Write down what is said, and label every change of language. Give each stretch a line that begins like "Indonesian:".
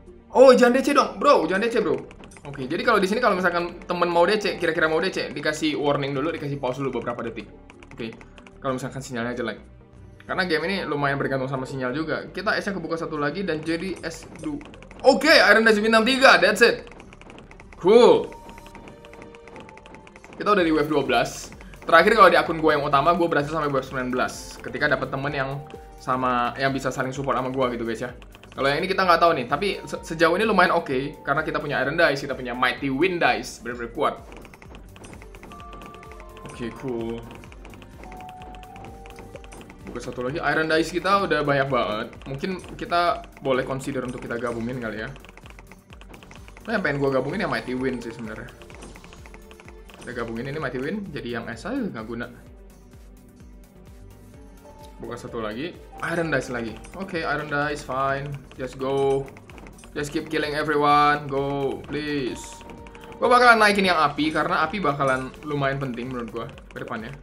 Indonesian: Oh, jangan DC dong, bro. Jangan DC, bro. Oke, jadi kalau di sini kalau misalkan temen mau DC, kira-kira mau DC, dikasih warning dulu, dikasih pause dulu beberapa detik. Oke, kalau misalkan sinyalnya jelek. Karena game ini lumayan bergantung sama sinyal juga. Kita S-nya kebuka satu lagi dan jadi S2. Oke, okay, Iron Dice bintang 3,
English: that's it. Cool.
Indonesian: Kita udah di wave 12. Terakhir kalau di akun gue yang utama, gue berhasil sampai wave 19. Ketika dapet temen yang sama, yang bisa saling support sama gue gitu guys ya. Kalau yang ini kita nggak tahu nih, tapi sejauh ini lumayan oke. Okay, karena kita punya Iron Dice, kita punya Mighty Wind Dice, bener-bener kuat. Oke, okay, cool. Buka satu lagi, Iron Dice kita udah banyak banget. Mungkin kita boleh consider untuk kita gabungin kali ya. Nah, yang pengen gue gabungin yang Mighty Wind sih sebenarnya. Kita gabungin ini Mighty Wind, jadi yang S aja nggak guna. Buka satu lagi, Iron Dice lagi. Oke, okay, Iron Dice,
English: fine. Just go. Just keep killing everyone. Go, please.
Indonesian: Gue bakalan naikin yang api, karena api bakalan lumayan penting menurut gue ke depannya.